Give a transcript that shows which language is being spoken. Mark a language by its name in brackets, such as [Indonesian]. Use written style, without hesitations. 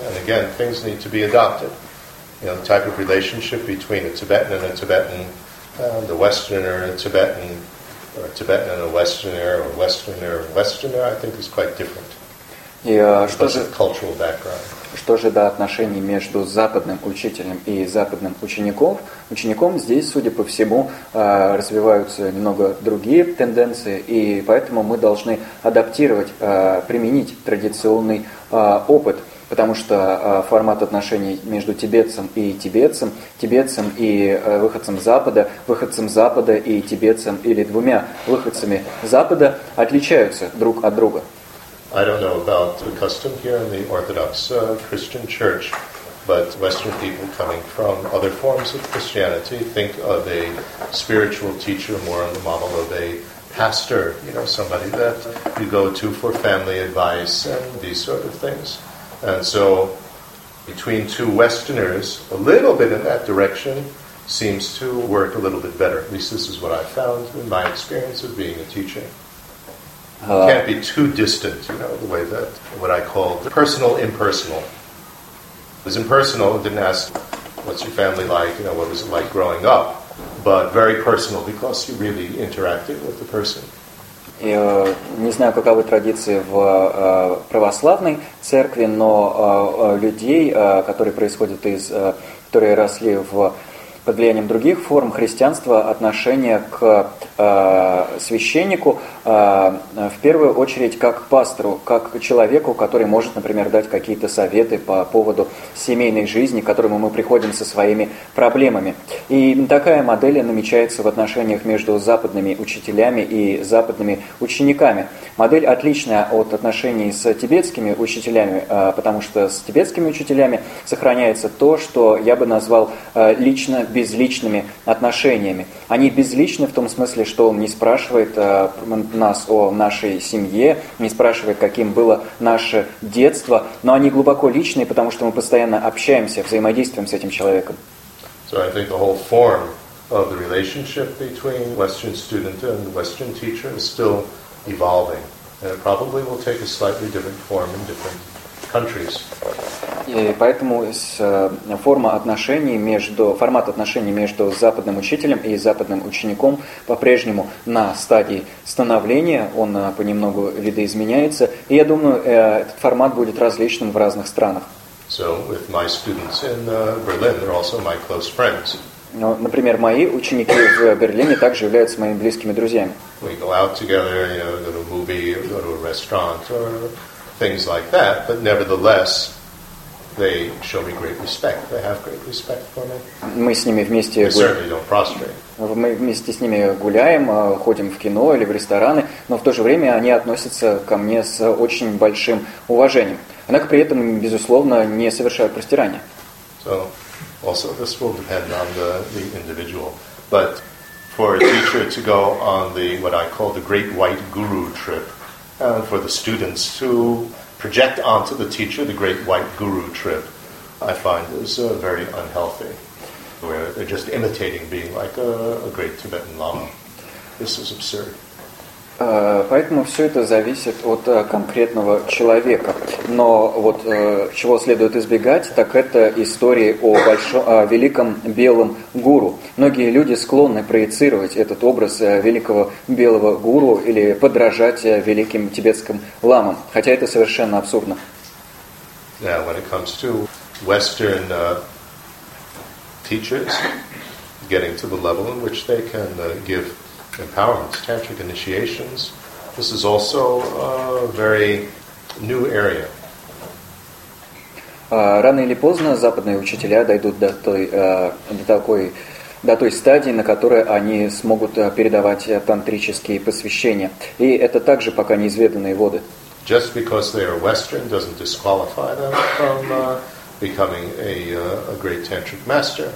[English] And again, things need to be adopted. You know, the type of relationship between a Tibetan and a Tibetan, and a Westerner and a Tibetan, or a Tibetan and a Westerner, or a Westerner and a Westerner, I think is quite different. [Russian] И что же, [English] cultural background. [Russian] Что же до отношений между западным учителем и западным учеником, здесь, судя по всему, развиваются немного другие тенденции, и поэтому мы должны адаптировать, применить традиционный опыт, потому что формат отношений между тибетцем и выходцем Запада и тибетцем или двумя выходцами Запада отличаются друг от друга. [English] I don't know about the custom here in the Orthodox Christian Church, but Western people coming from other forms of Christianity think of a spiritual teacher more on the model of a pastor, you know, somebody that you go to for family advice and these sort of things. And so between two Westerners, a little bit in that direction seems to work a little bit better. At least this is what I found in my experience of being a teacher. It can't be too distant, you know, the way that what I call the personal impersonal. It was impersonal, didn't ask what's your family like, you know, what was it like growing up, but very personal because you really interacted with the person. [Russian] И не знаю, каковы традиции в православной церкви, но людей, которые происходят из, которые росли в под влиянием других форм христианства, отношение к священнику в первую очередь как к пастору, как к человеку, который может, например, дать какие-то советы по поводу семейной жизни, к которому мы приходим со своими проблемами. И такая модель намечается в отношениях между западными учителями и западными учениками. Модель отличная от отношений с тибетскими учителями, потому что с тибетскими учителями сохраняется то, что я бы назвал лично безличными отношениями. Они безличны в том смысле, что он не спрашивает нас о нашей семье, не спрашивает, каким было наше детство, но они глубоко личные, потому что мы постоянно общаемся, взаимодействуем с этим человеком. [English] So I think the whole form of the relationship between Western student and Western teacher is still evolving, and it probably will take a slightly different form in different countries. [Russian] И поэтому формат отношений между западным учителем и западным учеником по-прежнему на стадии становления, он понемногу видоизменяется, и я думаю, этот формат будет различным в разных странах. [English] So with my students in Berlin, they're also my close friends. [Russian] Например, мои ученики в Берлине также являются моими близкими друзьями. [English] We go out together, you know, go to a movie, or go to a restaurant, or things like that, but nevertheless, they show me great respect. They have great respect for me. [Russian] Мы с ними вместе. [English] They certainly don't prostrate. [Russian] Мы вместе с ними гуляем, ходим в кино или в рестораны, но в то же время они относятся ко мне с очень большим уважением. Однако при этом, безусловно, не совершают простирания. [English] So, also this will depend on the individual, but for a teacher to go on the what I call the Great White Guru trip, and for the students to project onto the teacher the great white guru trip, I find is very unhealthy, where they're just imitating being like a great Tibetan lama. This is absurd. [Russian] Поэтому все это зависит от конкретного человека. Но вот чего следует избегать, так это истории о великом белом гуру. Многие люди склонны проецировать этот образ великого белого гуру или подражать великим тибетским ламам, хотя это совершенно абсурдно. [English] Now, when it comes to Western teachers getting to the level in which they can give empowerment, tantric initiations. This is also a very new area. [Russian] Рано или поздно западные учителя дойдут до той стадии, на которой они смогут передавать тантрические посвящения. И это также пока неизведанные воды. [English] Just because they are Western doesn't disqualify them from becoming a great tantric master.